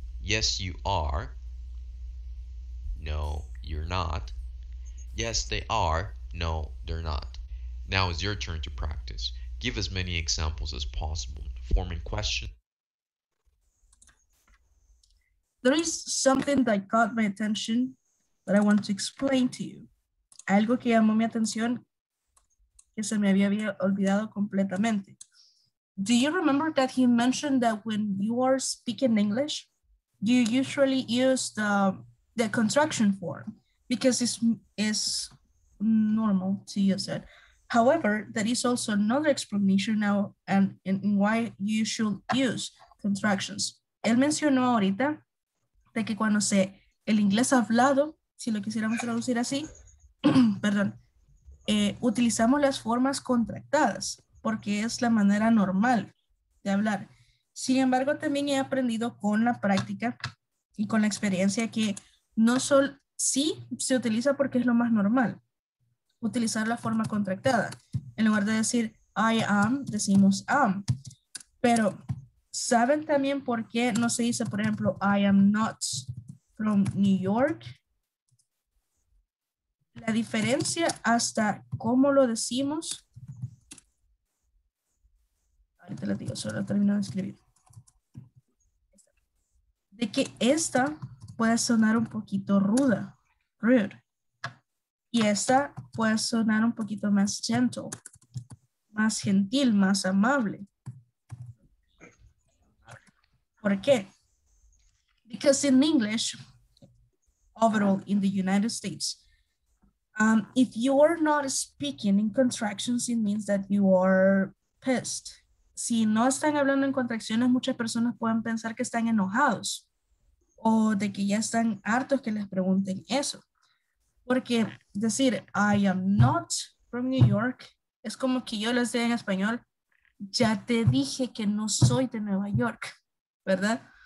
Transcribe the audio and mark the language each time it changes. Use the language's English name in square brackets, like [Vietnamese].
[English] Yes, you are. No, you're not. Yes, they are. No, they're not. Now it's your turn to practice. Give as many examples as possible, forming questions. There is something that caught my attention that I want to explain to you. [Spanish] Algo que llamó mi atención que se me había olvidado completamente. [English] Do you remember that he mentioned that when you are speaking English, you usually use the contraction form because it's normal to use it. However, that is also another explanation now and in why you should use contractions. [Spanish] Él mencionó ahorita de que cuando se el inglés hablado, si lo quisiéramos traducir así, perdón, utilizamos las formas contractadas porque es la manera normal de hablar. Sin embargo, también he aprendido con la práctica y con la experiencia que no solo sí se utiliza porque es lo más normal, utilizar la forma contractada. En lugar de decir I am, decimos am. Pero, ¿saben también por qué no se dice, por ejemplo, [English] I am not from New York? [Spanish] La diferencia hasta cómo lo decimos. Ahorita les digo, solo termino de escribir. De que esta puede sonar un poquito ruda, rude. Y esta puede sonar un poquito más gentle, más gentil, más amable. ¿Por qué? [English] Because in English, overall in the United States, if you are not speaking in contractions, it means that you are pissed. [Spanish] Si no están hablando en contracciones, muchas personas pueden pensar que están enojados o de que ya están hartos que les pregunten eso. Porque decir, [English] I am not from New York, [Spanish] es como que yo les diga en español, ya te dije que no soy de Nueva York, ¿verdad?